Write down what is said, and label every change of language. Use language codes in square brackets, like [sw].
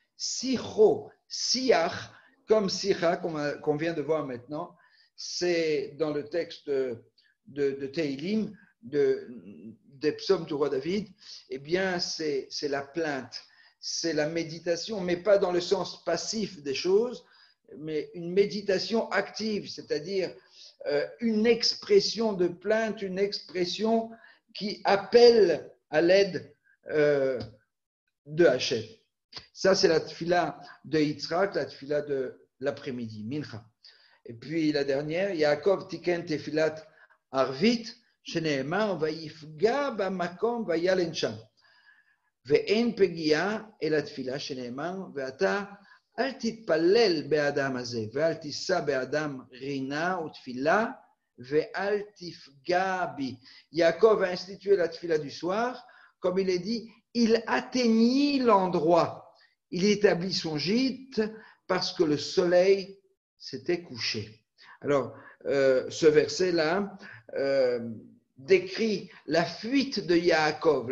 [fr] Sicho, siach, comme sicha qu'on vient de voir maintenant, c'est dans le texte de Tehilim, des psaumes du roi David, eh bien, c'est la plainte, c'est la méditation, mais pas dans le sens passif des choses, mais une méditation active, c'est-à-dire une expression de plainte, une expression qui appelle à l'aide de Hachem. Ça, c'est la tefila de Yitzhak, la tefila de l'après-midi, Mincha. Et puis la dernière, [he] Yaakov tiken tefilat arvit, שנאמר, ויפגע במקום וילן שם. ואין פגיעה אל התפילה שנאמר, ואתה אל תתפלל באדם הזה, ואל תישא באדם רינה ותפילה, ואל תפגע בי. [fr] יעקב a institué la tfila du soir, comme il est dit, il atteignit l'endroit. Il établit son gîte parce que le soleil s'était couché. Alors, ce verset-là, décrit la fuite de Yaakov.